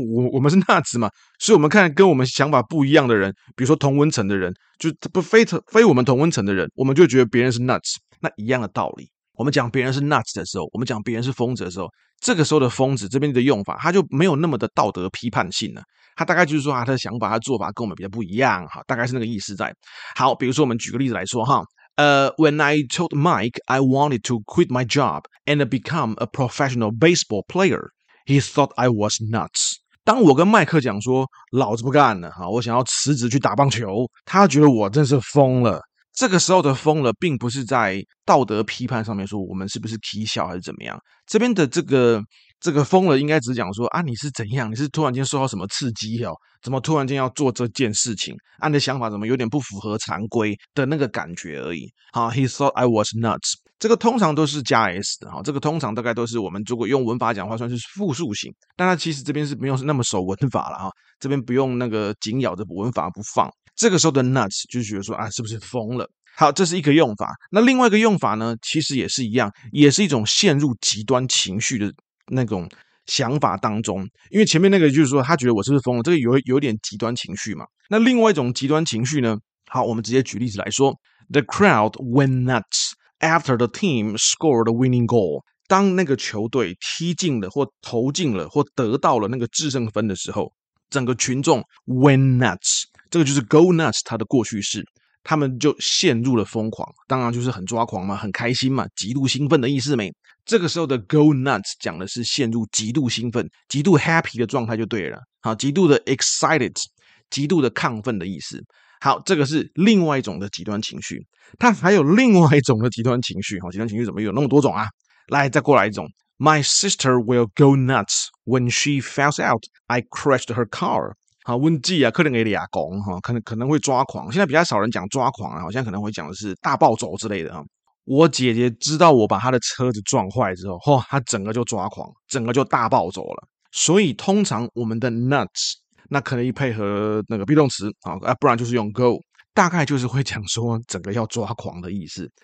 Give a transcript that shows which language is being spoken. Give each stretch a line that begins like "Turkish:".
Chinese: 因为我们是 nuts 嘛，所以我们看跟我们想法不一样的人，比如说同温层的人，就不非我们同温层的人，我们就觉得别人是 nuts。那一样的道理，我们讲别人是 nuts 的时候，我们讲别人是疯子的时候，这个时候的疯子这边的用法，他就没有那么的道德批判性了。他大概就是说啊，他的想法、他的做法跟我们比较不一样，好，大概是那个意思在。好，比如说我们举个例子来说哈，
English: When I told Mike I wanted to quit my job and become a professional baseball player, he thought I was nuts。
Chinese: 当我跟麦克讲说老子不干了，好，我想要辞职去打棒球，他觉得我真是疯了。这个时候的疯了并不是在道德批判上面说我们是不是蹊跷还是怎么样，这边的这个疯了应该只是讲说啊，你是怎样，你是突然间受到什么刺激哦，怎么突然间要做这件事情啊，你的想法怎么有点不符合常规的那个感觉而已。好，
English: He thought I was nuts，
Chinese: 这个通常都是加 s 的，这个通常大概都是我们如果用文法讲的话算是复数型，但它其实这边是没有那么熟文法啦，这边不用那个紧咬着文法不放。这个时候的 nuts 就觉得说啊，是不是疯了？好，这是一个用法。那另外一个用法呢，其实也是一样，也是一种陷入极端情绪的那种想法当中。因为前面那个就是说他觉得我是不是疯了，这个有点极端情绪嘛。那另外一种极端情绪呢，好，我们直接举例子来说 ，
English: The crowd went nuts after the team scored a winning goal。
Chinese: 当那个球队踢进了或投进了或得到了那个制胜分的时候，整个群众
English: went nuts。
Chinese: 这个就是 go nuts 它的过去式，他们就陷入了疯狂，当然就是很抓狂嘛，很开心嘛，极度兴奋的意思没？这个时候的 go nuts 讲的是陷入极度兴奋、极度 happy 的状态就对了，好，极度的 excited， 极度的亢奋的意思。好，这个是另外一种的极端情绪，它还有另外一种的极端情绪，极端情绪怎么有那么多种啊？来，再过来一种 ，
English: My sister will go nuts when she finds out I crashed her car。
Chinese: 好，问记啊，可能给你啊讲哈，可能会抓狂。现在比较少人讲抓狂啊，好像可能会讲的是大暴走之类的啊。我姐姐知道我把她的车子撞坏之后，嚯，她整个就抓狂，整个就大暴走了。所以通常我们的 nuts 那可能配合那个 be 动词啊，不然就是用 go， 大概就是会讲说整个要抓狂的意思。